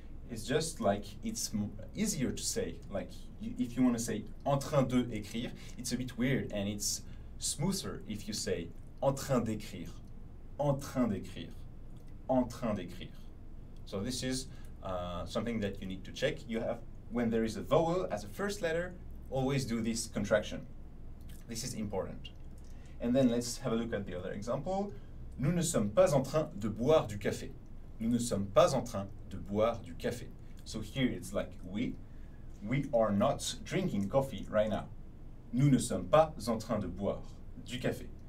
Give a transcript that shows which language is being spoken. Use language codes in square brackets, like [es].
[en] It's just like it's easier to say. Like if you want to say [fr] en train de écrire, [en] it's a bit weird and it's smoother if you say [fr] en train d'écrire, en train d'écrire, [en] en train d'écrire. So this is something that you need to check. You have, when there is a vowel as a first letter, always do this contraction. This is important. And then let's have a look at the other example. [fr] Nous ne sommes pas en train de boire du café. Nous ne sommes pas en train de boire du café. [en] So here it's like we are not drinking coffee right now. [fr] Nous ne sommes pas en train de boire du café.